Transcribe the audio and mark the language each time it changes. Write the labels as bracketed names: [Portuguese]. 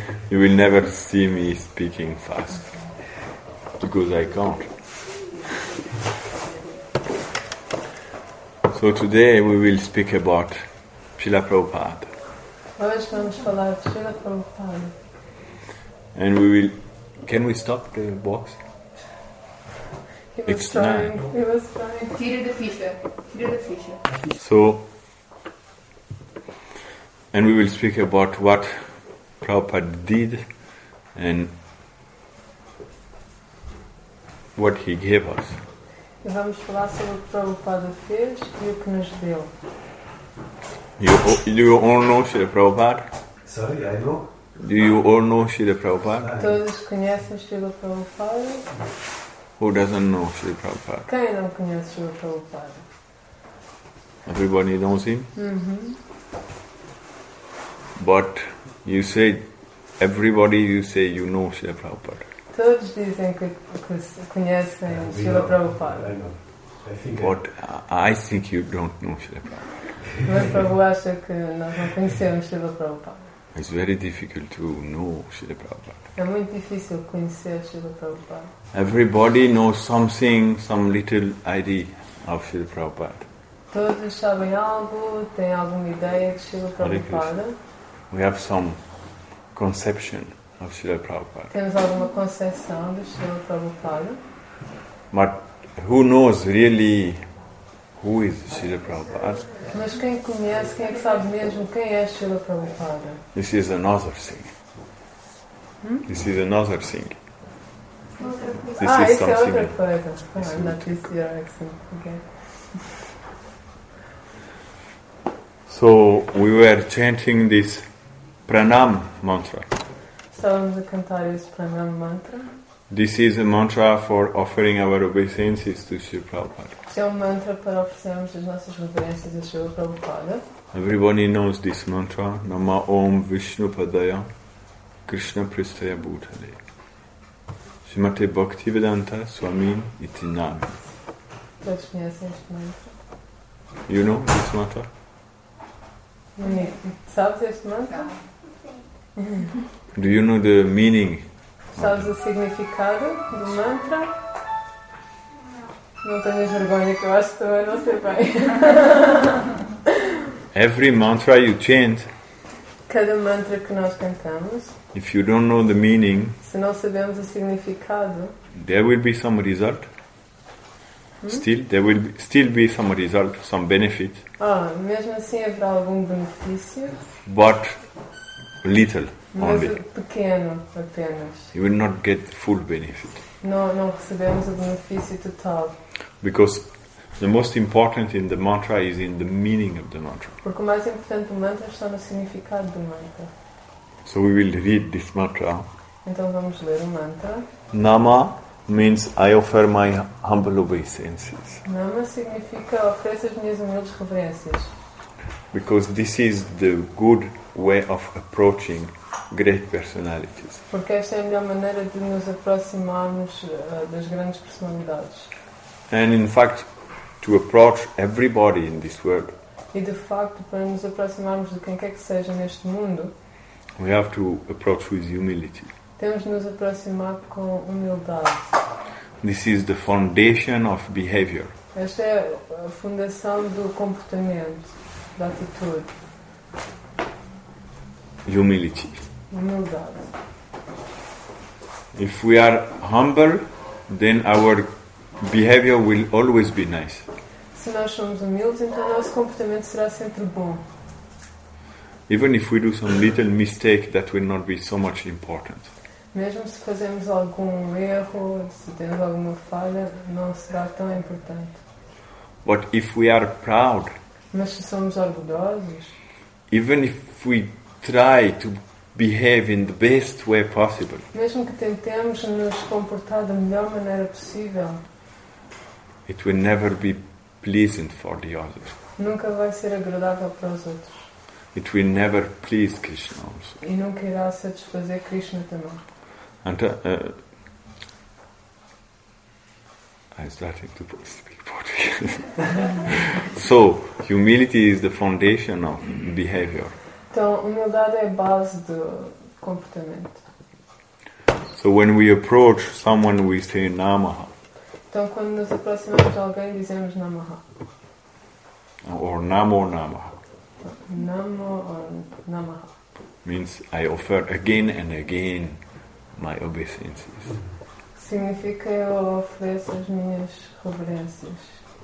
[English] You will never see me speaking fast because I can't. So today we will speak about Srila Prabhupada. [Portuguese] Hoje vamos falar de Srila Prabhupada. [English] And we will. Can we stop the box? It's time. It was time. [Portuguese] Tire da ficha. [English] So. And we will speak about what Prabhupada did and what he gave us. [Portuguese] E vamos falar sobre o que Prabhupada fez e o que nos deu. [English] Do you all know Srila Prabhupada? Sorry, I know. Do you all know Srila Prabhupada? [Portuguese] Todos conhecem Srila Prabhupada? [English] Who doesn't know Srila Prabhupada? [Portuguese] Quem não conhece Srila Prabhupada? [English] Everybody knows him? Mm-hmm. But you say, everybody you say you know Srila Prabhupada. [Portuguese] Todos dizem que conhecem Srila Prabhupada. [English] But I think you don't know Srila Prabhupada. [Portuguese] Mas Prabhu acha que nós não conhecemos Srila Prabhupada. [English] It's very difficult to know Srila Prabhupada. [Portuguese] É muito difícil conhecer Srila Prabhupada. [English] Everybody knows something, some little idea of Srila Prabhupada. [Portuguese] Todos sabem algo, têm alguma ideia de Srila Prabhupada. [English] We have some conception of Srila Prabhupada. [Portuguese] Temos alguma concepção de Srila Prabhupada. [English] But who knows really who is Srila Prabhupada? [Portuguese] Mas quem conhece, quem é que sabe mesmo quem é Srila Prabhupada? [English] This is another thing. This is another thing. This is something. Ah, [Portuguese] isso é outra coisa. [English] I'm not this year, okay. So we were chanting this Pranam mantra. [Portuguese] Estávamos a cantar esse Pranam mantra. [English] This is a mantra for offering our obeisances to Srila Prabhupada. [Portuguese] Este é um mantra para oferecermos as nossas reverências a Srila Prabhupada. [English] Everybody knows this mantra. [Sanskrit] Nama Om Vishnu Padaya Krishna Pristaya Bhutale. Srimate Bhaktivedanta Swami Iti Nami. [Portuguese] Todos conhecem este mantra. [English] You know this mantra? [Portuguese] Sabes este mantra? [English] Do you know the meaning? [Portuguese] Sabes o significado do mantra? Não tenho vergonha que eu acho que também não sei bem. [English] Every mantra you chant. [Portuguese] Cada mantra que nós cantamos. [English] If you don't know the meaning. [Portuguese] Se não sabemos o significado. [English] There will be some result. Still there will be some result, some benefit. [Portuguese] Ah, mesmo assim haverá algum benefício. [English] But little only. [Portuguese] Mas pequeno apenas. [English] You will not get the full benefit. [Portuguese] Não recebemos o benefício total. [English] Because the most important in the mantra is in the meaning of the mantra. [Portuguese] Porque o mais importante do mantra está no significado do mantra. [English] So we will read this mantra. [Portuguese] Então vamos ler o mantra. [English] Nama means I offer my humble obeisances. [Portuguese] Nama significa ofereço as minhas humildes reverências. [English] Because this is the good way of approaching great personalities. [Portuguese] Porque esta é a melhor maneira de nos aproximarmos das grandes personalidades. [English] And in fact, to approach everybody in this world. [Portuguese] E de facto, para nos aproximarmos de quem quer que seja neste mundo, [English] we have to approach with humility. [Portuguese] Temos de nos aproximar com humildade. [English] This is the foundation of behavior. [Portuguese] Esta é a fundação do comportamento. Da atitude. [English] Humility. [Portuguese] Humildade. [English] If we are humble, then our behavior will always be nice. [Portuguese] Se nós somos humildes, então o nosso comportamento será sempre bom. [English] Even if we do some little mistake, that will not be so much important. [Portuguese] Mesmo se fazemos algum erro, se temos alguma falha, não será tão importante. [English] But if we are proud, [Portuguese] Mas se somos orgulhosos... [English] Even if we try to behave in the best way possible... [Portuguese] Mesmo que tentemos nos comportar da melhor maneira possível... [English] It will never be pleasant for the others. [Portuguese] Nunca vai ser agradável para os outros. [English] It will never please Krishna also. [Portuguese] E nunca irá satisfazer Krishna também. [English] I'm starting to speak Portuguese. So, humility is the foundation of behavior. [Portuguese] Então, humildade é a base do comportamento. [English] So, when we approach someone, we say Namaha. [Portuguese] Então, quando nos aproximamos de alguém, dizemos Namaha. [English] Or Namo Namaha. Namo or Namaha. Means I offer again and again my obeisances. [Portuguese] Significa eu ofereço as minhas reverências.